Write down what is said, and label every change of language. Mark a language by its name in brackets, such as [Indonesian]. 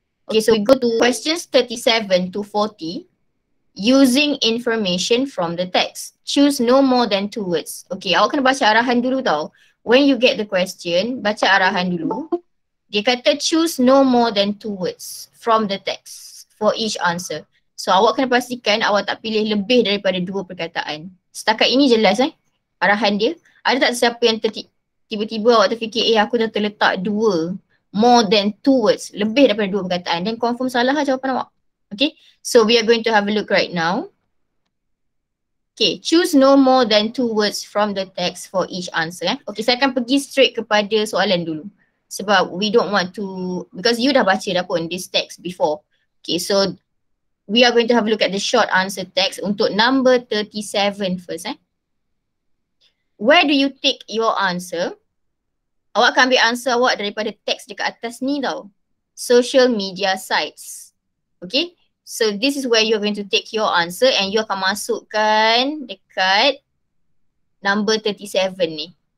[English] Okay, so we go to questions 37 to 40 using information from the text. Choose no more than two words. Okay, [Malay] awak kena baca arahan dulu tau. [English] When you get the question, [Malay] baca arahan dulu. Dia kata [English] choose no more than two words from the text for each answer. [Malay] So awak kena pastikan awak tak pilih lebih daripada dua perkataan. Setakat ini jelas eh arahan dia. Ada tak sesiapa yang tiba-tiba awak terfikir aku dah terletak dua, [English] more than two words, [Malay] lebih daripada dua perkataan, then confirm salah lah jawapan awak. [English] Okay, so we are going to have a look right now. Okay, choose no more than two words from the text for each answer. [Malay] Okay, saya akan pergi straight kepada soalan dulu. Sebab [English] we don't want to, because you [Malay] dah baca dah pun [English] this text before. Okay, so we are going to have a look at the short answer text untuk number 37 first. Where do you take your answer? [Malay] Awak akan ambil answer awak daripada text dekat atas ni tau. [English] Social media sites. Okay, so this is where you're going to take your answer and you [Malay] akan masukkan dekat [English] number 37 ni.